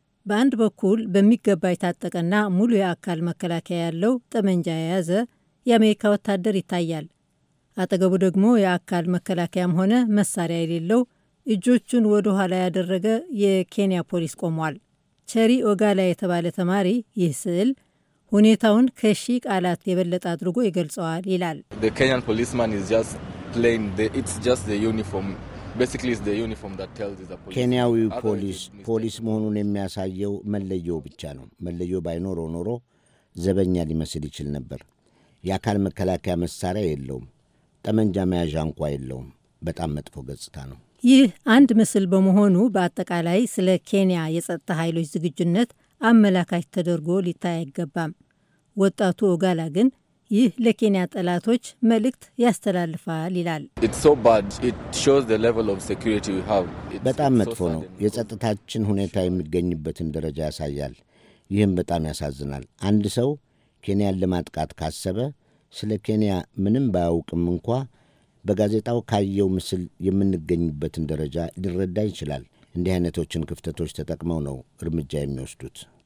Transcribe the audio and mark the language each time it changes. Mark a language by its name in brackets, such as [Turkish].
[Amharic] በአንድ በኩል በሚገባ የታጠቀና ሙሉ የአካል መከላከያ ያለው ጠመንጃ የያዘ የአሜሪካ ወታደር ይታያል። አጠገቡ ደግሞ የአካል መከላከያም ሆነ መሳሪያ የሌለው እጆቹን ወደ ኋላ ያደረገ የኬንያ ፖሊስ ቆሟል። ቸሪ ኦጋላ የተባለ ተማሪ ይህ ስዕል ሁኔታውን ከሺ ቃላት የበለጠ አድርጎ ይገልጸዋል ይላል። [English] The Kenyan policeman is just plain it's just the uniform. Basically it's the uniform that tells the police. [Amharic] ኬንያዊው ፖሊስ መሆኑን የሚያሳየው መለየው ብቻ ነው። መለየው ባይኖረው ኖሮ ዘበኛ ሊመስል ይችል ነበር። የአካል መከላከያ መሳሪያ የለውም። ጠመንጃ መያዣ እንኳን የለውም። በጣም መጥፎ ገጽታ ነው። ይህ አንድ ምስል በመሆኑ በአጠቃላይ ስለ ኬንያ የጸጥታ ኃይሎች ዝግጁነት አመላካች ተደርጎ ሊታይ አይገባም። ወጣቱ ኦጋላ ግን ይህ ለኬንያ ጠላቶች መልእክት ያስተላልፋል ይላል። [English] It's so bad. It shows the level of security we have. [Amharic] በጣም መጥፎ ነው። የጸጥታችን ሁኔታ የሚገኝበትን ደረጃ ያሳያል። ይህም በጣም ያሳዝናል። አንድ ሰው ኬንያን ለማጥቃት ካሰበ ስለ ኬንያ ምንም ባያውቅም እንኳ በጋዜጣው ካየው ምስል የምንገኝበትን ደረጃ ሊረዳ ይችላል። እንዲህ አይነቶችን ክፍተቶች ተጠቅመው ነው እርምጃ የሚወስዱት።